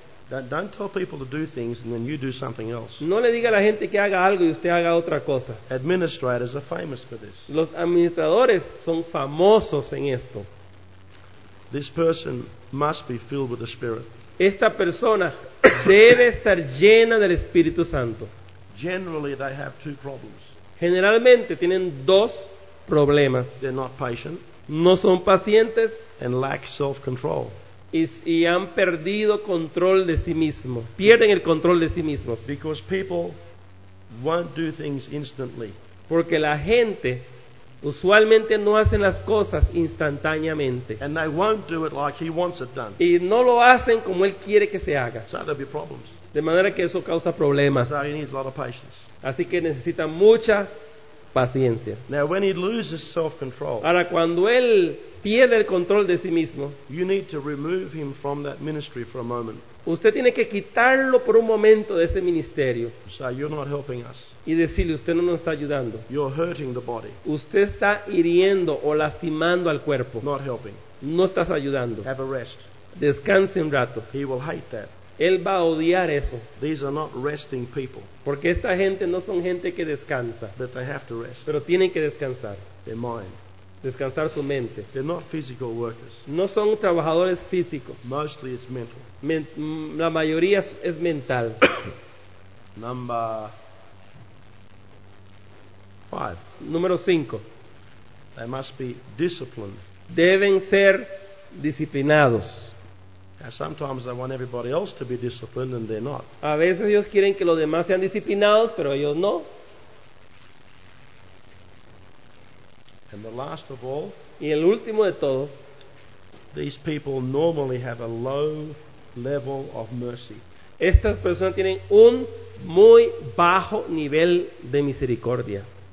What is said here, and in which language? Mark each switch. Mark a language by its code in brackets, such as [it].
[en] Don't tell people to do things and then you do something else. [es] No le diga a la gente que haga algo y usted haga otra cosa. [en] Administrators are famous for this. [es] Los administradores son famosos en esto. [en] This person must be filled with the Spirit. [es] Esta persona debe estar llena del Espíritu Santo. [en] Generally, they have two problems. [es] Generalmente tienen dos problemas. [en] They're not patient. [es] No son pacientes. [en] And lack self-control. [es] Y han perdido control de sí mismos. Pierden el control de sí mismos. [en] Because people won't do things instantly. [es] Porque la gente usualmente no hacen las cosas instantáneamente. [en] And they won't do it like he wants it done. [es] Y no lo hacen como él quiere que se haga. [en] So there'll be problems. [es] De manera que eso causa problemas. [en] So he needs a lot of patience. [es] Así que necesita mucha paciencia. [en] Now, when he loses self-control, [es] ahora, cuando él pierde el control de sí mismo, [en] you need to remove him from that ministry for a moment. [es] Usted tiene que quitarlo por un momento de ese ministerio. [en] So you're not helping us. [es] Y decirle, usted no nos está ayudando. [en] You're hurting the body. [es] Usted está hiriendo o lastimando al cuerpo. [en] Not helping. [es] No estás ayudando. [en] Have a rest. [es] Descanse un rato. [en] He will hate that. [es] Él va a odiar eso. [en] These are not resting people. [es] Porque esta gente no son gente que descansa. [en] That they have to rest. [es] Pero tienen que descansar. [en] Their mind. [es] Descansar su mente. [en] They're not physical workers. [es] No son trabajadores físicos. [en] Mostly it's mental. [es] La mayoría es mental. [en] Number 5. [es] Número 5. [en] They must be disciplined. [es] Deben ser disciplinados. [en] Sometimes they want everybody else to be disciplined and they're not. [es] A veces ellos quieren que los demás sean disciplinados, pero ellos no. [en] And the last of all, [es] y el último de todos, [en] these people normally have a low level of mercy. [es] Estas personas tienen un muy bajo nivel de misericordia.